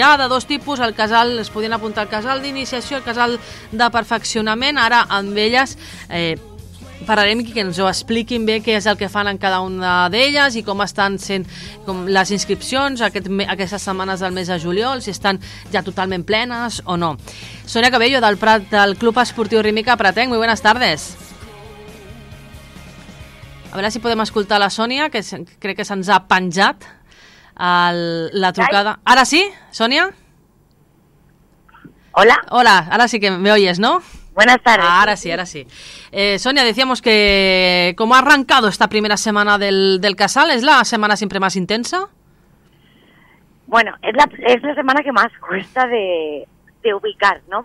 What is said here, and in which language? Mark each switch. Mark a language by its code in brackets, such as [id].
[ca] Ja de dos tipus, el casal, es podien apuntar al casal d'iniciació, el casal de perfeccionament. Ara amb elles parlarem i que ens ho expliquin bé què és el que fan en cada una d'elles i com estan sent com les inscripcions aquestes setmanes del mes de juliol, si estan ja totalment plenes o no. [es] Sonia Cabello, del Prat, del Club Esportiu Rítmica Pratenc, muy buenas tardes. [ca] A veure si podem escoltar la Sònia, que crec que se'ns ha penjat la trucada. Ara sí, Sònia? Hola. [es] Hola, [ca] ara sí [es] que me oyes, ¿no? Buenas tardes. Ahora sí, ahora sí. Sonia, decíamos que ¿cómo ha arrancado esta primera semana del casal? ¿Es la semana siempre más intensa? Bueno, es la semana que más cuesta de ubicar, ¿no?